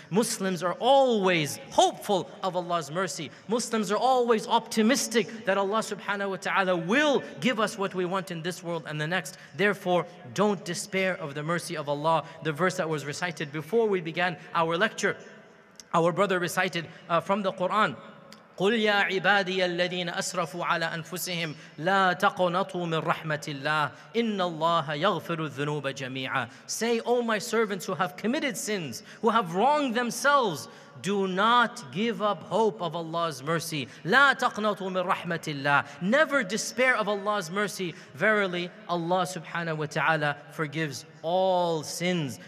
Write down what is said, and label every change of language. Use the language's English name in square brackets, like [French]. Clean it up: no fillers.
[English] Muslims are always hopeful of Allah's mercy. Muslims are always optimistic that Allah subhanahu wa ta'ala will give us what we want in this world and the next. Therefore, don't despair of the mercy of Allah. The verse that was recited before we began our lecture, our brother recited from the Quran, [Arabic] قل يا عبادي الذين أسرفوا على أنفسهم لا تقنطوا من رحمة الله إن الله يغفر الذنوب جميعا. [English] Say, O my servants who have committed sins, who have wronged themselves, do not give up hope of Allah's mercy. [Arabic] لا تقنطوا من رحمة الله. [English] Never despair of Allah's mercy. Verily, Allah subhanahu wa ta'ala forgives all sins.